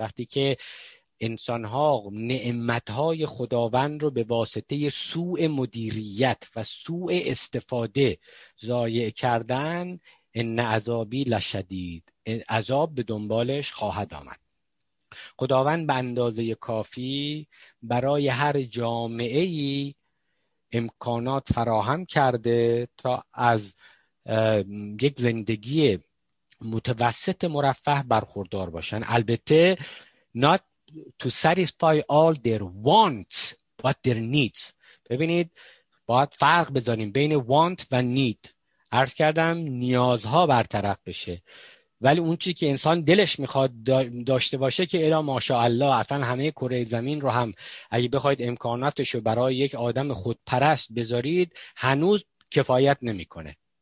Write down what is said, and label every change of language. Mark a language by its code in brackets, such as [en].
[fa] وقتی که انسان‌ها نعمت‌های خداوند رو به واسطه سوء مدیریت و سوء استفاده ضایع کردن، ان عذابی لشدید، عذاب به دنبالش خواهد آمد. خداوند به اندازه کافی برای هر جامعه ای امکانات فراهم کرده تا از یک زندگی متوسط مرفه برخوردار باشن. البته [en] not to satisfy all their wants but their needs. [fa] ببینید، باید فرق بذاریم بین want و need. عرض کردم نیازها برطرف بشه، ولی اون چیزی که انسان دلش میخواد داشته باشه که الا ماشاءالله اصلا همه کره زمین رو هم اگه بخواید امکاناتش رو برای یک آدم خودپرست بذارید هنوز کفایت نمیکنه.